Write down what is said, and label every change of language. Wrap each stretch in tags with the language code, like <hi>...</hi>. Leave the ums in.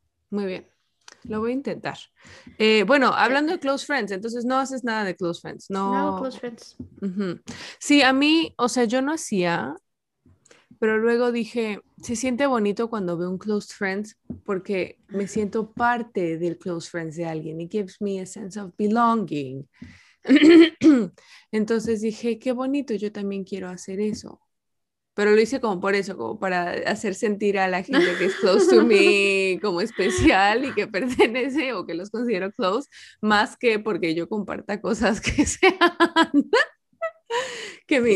<es>Muy bien, lo voy a intentar. Eh, bueno, hablando de close friends, entonces no haces nada de close friends, no. No, close friends. Ujú. Sí, a mí, o sea, yo no hacía, pero luego dije, se siente bonito cuando veo un close friends porque me siento parte del close friends de alguien.</es> <en>It gives me a sense of belonging.</en> <es>Entonces dije, qué bonito, yo también quiero hacer eso. Pero lo hice como por eso, como para hacer sentir a la gente que es</es> <en>close to me</en> <es>como especial y que pertenece o que los considero close, más que porque yo comparta cosas que sean que, me-</es>